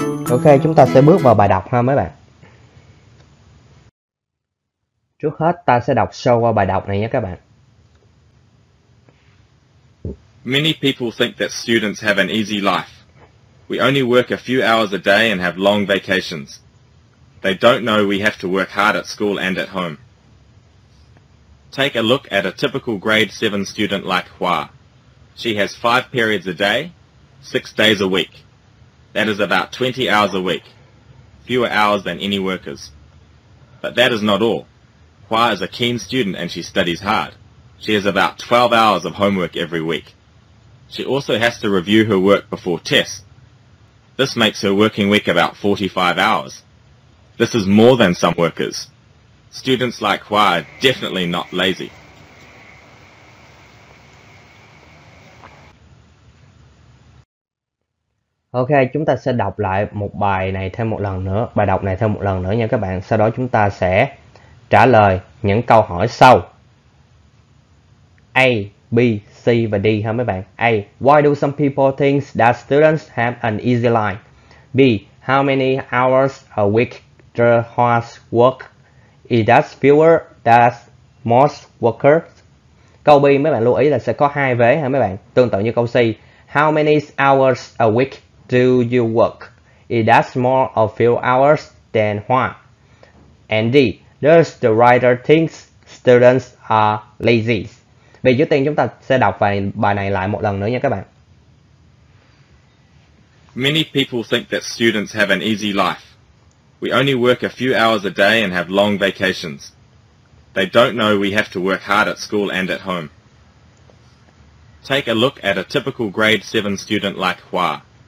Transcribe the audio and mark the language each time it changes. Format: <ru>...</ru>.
<vi>Ok, chúng ta sẽ bước vào bài đọc ha mấy bạn. Trước hết ta sẽ đọc sơ qua bài đọc này nhé các bạn.</vi> <en>Many people think that students have an easy life. We only work a few hours a day and have long vacations. They don't know we have to work hard at school and at home. Take a look at a typical grade 7 student like Hua. She has 5 periods a day, 6 days a week. That is about 20 hours a week, fewer hours than any workers. But that is not all. Hua is a keen student and she studies hard. She has about 12 hours of homework every week. She also has to review her work before tests. This makes her working week about 45 hours. This is more than some workers. Students like Hua are definitely not lazy.</en> <vi>Ok, chúng ta sẽ đọc lại một bài này thêm một lần nữa, bài đọc này thêm một lần nữa nha các bạn. Sau đó chúng ta sẽ trả lời những câu hỏi sau. A, B, C và D ha mấy bạn.</vi> <en>A, why do some people think that students have an easy life? B, how many hours a week does Hua work? Is that fewer than most workers?</en> <vi>Câu B mấy bạn lưu ý là sẽ có hai vế ha mấy bạn, tương tự như câu C.</vi> <en>How many hours a week do you work? Is that more or few hours than Hua? And D, does the writer think students are lazy?</en> <vi>Vì trước tiên chúng ta sẽ đọc bài này lại một lần nữa nha các bạn.</vi> <en>Many people think that students have an easy life. We only work a few hours a day and have long vacations. They don't know we have to work hard at school and at home. Take a look at a typical grade 7 student like Hua.</en>